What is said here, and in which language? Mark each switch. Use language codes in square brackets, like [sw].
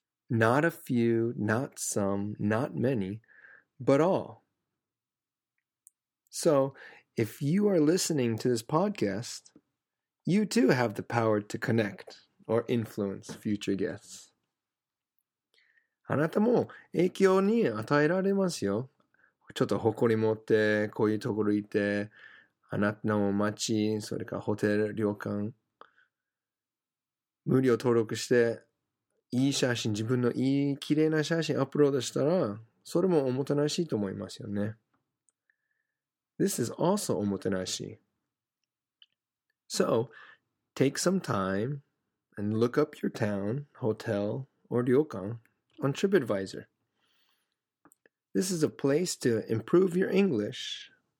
[en] Not a few, not some, not many, but all. So, if you are listening to this podcast, you too have the power to connect or influence future guests. [ja] あなたも影響に与えられますよ。ちょっと誇り持ってこういうところ行って、あなたの街、それかホテル、旅館、無料登録して、いい写真、自分のいい綺麗な写真アップロードしたら、それもおもてなしと思いますよね。 [en] This is also おもてなし。 So, take some time and look up your town, hotel, or 旅館 on TripAdvisor. This is a place to improve your English